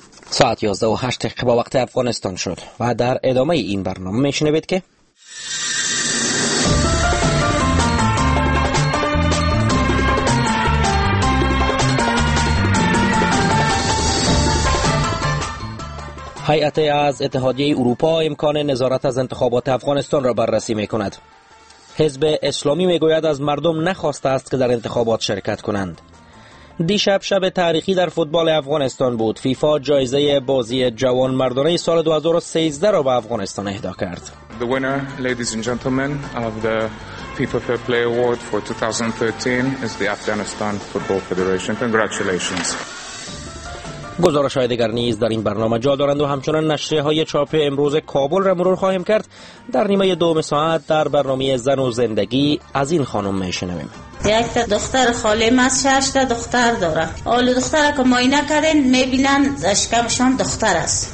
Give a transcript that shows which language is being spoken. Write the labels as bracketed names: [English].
[Persian] ساعت 11:08 دقیقه با وقت افغانستان شد و در ادامه این برنامه می‌شنوید که هیئت از اتحادیه اروپا امکان نظارت از انتخابات افغانستان را بررسی می‌کند. حزب اسلامی می‌گوید از مردم نخواسته است که در انتخابات شرکت کنند. دیشب شب تاریخی در فوتبال افغانستان بود. فیفا جایزه بازی جوان مردانه سال 2013 را به افغانستان اهدا کرد. [English] The winner, ladies and gentlemen, of the FIFA Fair Play Award for 2013 is the Afghanistan Football Federation. Congratulations. [Persian] گزارش های دیگر نیز در این برنامه جا دارند و همچنان نشریه های چاپ امروز کابل را مرور خواهیم کرد. در نیمه دوم ساعت در برنامه زن و زندگی از این خانم میشنویم. یک تا دختر خاله ما از 6 تا دختر داره. اول دختر که ماینه کردن میبینن شکمشان دختر است.